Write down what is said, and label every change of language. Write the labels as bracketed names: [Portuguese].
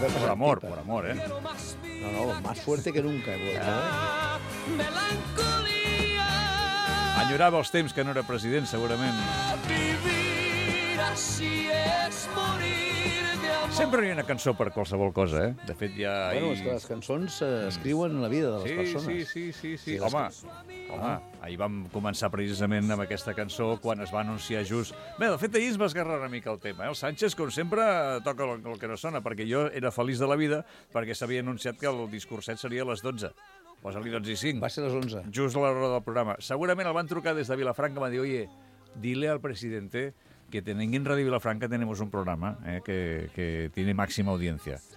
[Spanish] por amor, por amor, ¿eh? No, no, más fuerte que nunca he vuelto. Melancolía. Añoraba los [Catalan] temps que no era president, segurament. [Spanish] Vivir así es morir de amor. [Catalan] Sempre hi ha una cançó per qualsevol cosa, eh? De fet, ja... Bueno, és que les cançons escriuen la vida de les persones. Sí, sí, sí, sí. Home, home, ahir vam començar precisament amb aquesta cançó quan es va anunciar just... Bé, de fet, ahir es va esgarrar una mica el tema. El Sánchez, com sempre, toca el que no sona, perquè jo era feliç de la vida perquè s'havia anunciat que el discurset seria a les 12. Posa-li 12 i 5. Va ser a les 11. Just a l'hora del programa. Segurament el van trucar des de Vilafranca, va dir, [Spanish] oye, dile al presidente que [Catalan] tenint en [Spanish] Ràdio Vilafranca tenemos un programa que tiene máxima audiencia.